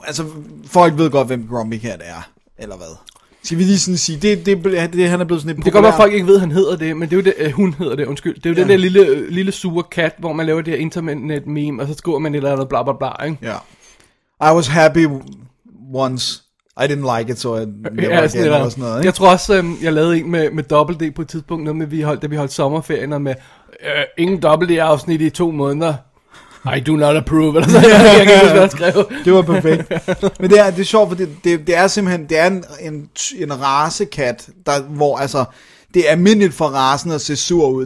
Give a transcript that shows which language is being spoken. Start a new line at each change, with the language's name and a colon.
Danish: Altså, folk ved godt, hvem Grumpy Cat er, eller hvad? Skal vi lige sådan sige, det han er blevet sådan lidt populær. Det kan godt være, folk ikke ved, at han hedder det, men det er jo det, hun hedder det, undskyld. Det er jo den der lille sure kat, hvor man laver det her internet meme, og så skriver man et eller andet bla bla bla, ikke?
English: Ja. Yeah. I was happy once. I didn't like it, so I never again,
Danish: eller sådan noget, ikke? Jeg tror også, jeg lavede en med Double D på et tidspunkt, noget med, da vi holdt sommerferien, og med ingen Double D-afsnit i 2 måneder.
English: I do not approve,
Danish: eller så jeg kan ikke huske, hvad jeg skrev. Det var perfekt. Men det er sjovt, for det er simpelthen, det er en racekat, der, hvor altså, det er almindeligt for racen at se sur ud.